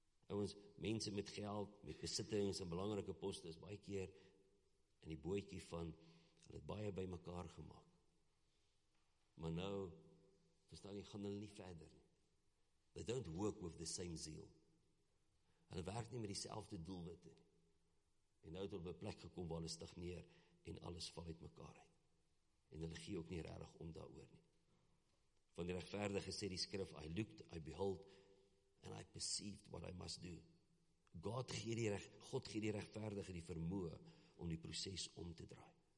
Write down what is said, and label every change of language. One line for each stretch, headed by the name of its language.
Afrikaans: Ouens, mense met geld, met besittings en belangrike poste is baie keer in die bootjie van, hulle het baie by mekaar gemaak. Maar nou, verstaan jy, gaan hulle nie verder.
English: They don't work with the same zeal.
Afrikaans: Hulle werk nie met dieselfde doelwitte. En nou het hulle op 'n plek gekom waar hulle stagneer en alles val uit mekaar uit. En hulle gee ook nie regtig om daaroor nie. Van die regverdige sê die skrif,
English: I looked, I behold, and I perceived what I must do.
Afrikaans: God gee die regverdige die vermoë om die proses om te draai.